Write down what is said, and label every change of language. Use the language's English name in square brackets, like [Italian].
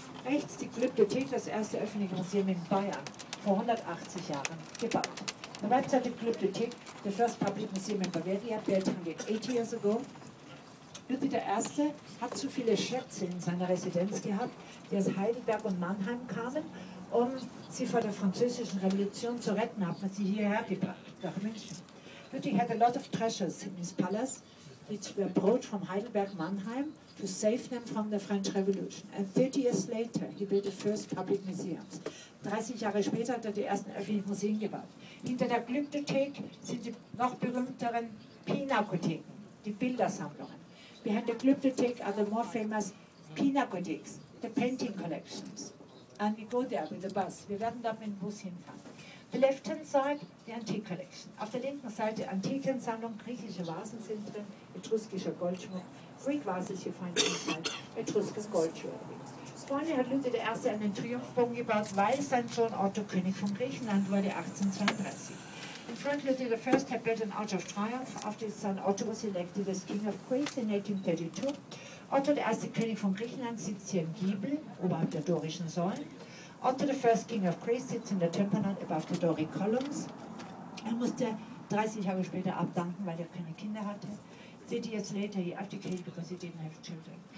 [German] Rechts die Klippe Tief, das erste öffentliche Museum in Bayern, vor 180 Jahren gebaut. [English] The right side of Klippe Tief, the first public museum in Bavaria, built 180 years ago. [German] Ludwig der Erste hat zu viele Schätze in seiner Residenz gehabt, die aus Heidelberg und Mannheim kamen, um sie vor der französischen Revolution zu retten, hat man sie hierher gebracht, nach München. [English] Ludwig had a lot of treasures in his palace, which were brought from Heidelberg, Mannheim, to save them from the French Revolution. And 30 years later, he built the first public museums. [German] 30 Jahre später hat die ersten öffentlichen Museen gebaut. Hinter der Glyptothek sind die noch berühmteren Pinakotheken, die Bildersammlungen. [English] Behind the Glyptothek are the more famous Pinakotheks, the painting collections. And we go there with the bus. [German] Wir werden da mit dem Bus hinfahren. [English] The left hand side, the antique collection. [German] Auf der linken Seite Antikensammlung, griechische Vasen sind drin, etruskischer Goldschmuck. [English] Greek vases you find inside, [German] etruskisches Goldschmuck. Vorne hat Ludwig der Erste einen Triumphbogen gebaut, weil sein Sohn Otto König von Griechenland wurde 1832. [English] In front Ludwig I had built an arch of triumph after his son Otto was elected as King of Greece in 1832. [German] Otto der Erste König von Griechenland sitzt hier im Giebel, oberhalb der dorischen Säulen. [English] Otto the first King of Greece sits in the Tympanon above the Doric columns. [German] Er musste 30 Jahre später abdanken, weil er keine Kinder hatte. [English] 30 years later he abdicated because he didn't have children.